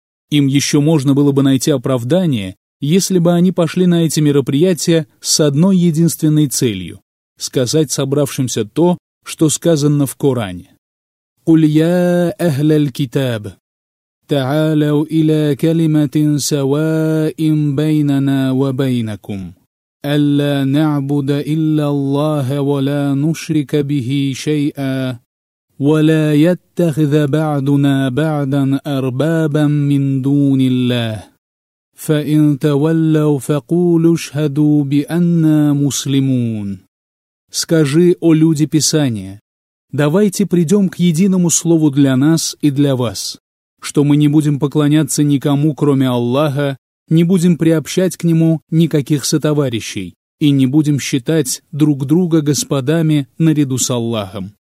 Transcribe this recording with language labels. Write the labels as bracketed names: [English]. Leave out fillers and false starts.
[Russian] Им еще можно было бы найти оправдание, если бы они пошли на эти мероприятия с одной единственной целью – сказать собравшимся то, что сказано в Коране. [Arabic] «Куль я ахля аль-китаб, та'аляу иля калиматин саваим байнана ва байнакум, алла на'буда илля Аллаха ва ла нушрика бихи шей'а». ولا يتخذ بعضنا بعضا أربابا من دون الله فإن تولوا فقولوا اشهدوا بأننا مسلمون. [Russian] Скажи, о люди Писания, давайте придем к единому слову для нас и для вас, что мы не будем поклоняться никому, кроме Аллаха, не будем приобщать к Нему никаких сотоварищей и не будем считать друг друга господами наряду с Аллахом.